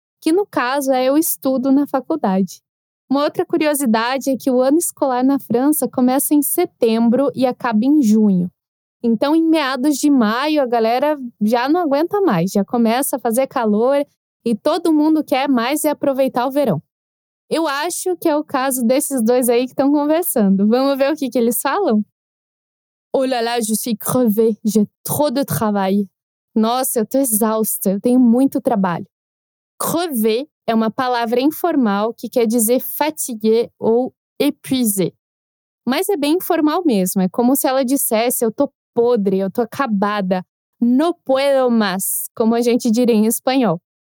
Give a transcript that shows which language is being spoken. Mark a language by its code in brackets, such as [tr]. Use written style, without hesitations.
[pt] Que no caso é eu estudo na faculdade. Uma outra curiosidade é que o ano escolar na França começa em setembro e acaba em junho. Então, em meados de maio, a galera já não aguenta mais, já começa a fazer calor e todo mundo quer mais é aproveitar o verão. Eu acho que é o caso desses dois aí que estão conversando. Vamos ver o que eles falam? [fr] Oh là là, je suis crevée, j'ai trop de travail. [pt] Nossa, eu tô exausta, eu tenho muito trabalho. Crever é uma palavra informal que quer dizer fatiguer ou épuiser. Mas é bem informal mesmo, é como se ela dissesse eu tô podre, eu tô acabada, [es] no puedo más, [pt] como a gente diria em espanhol.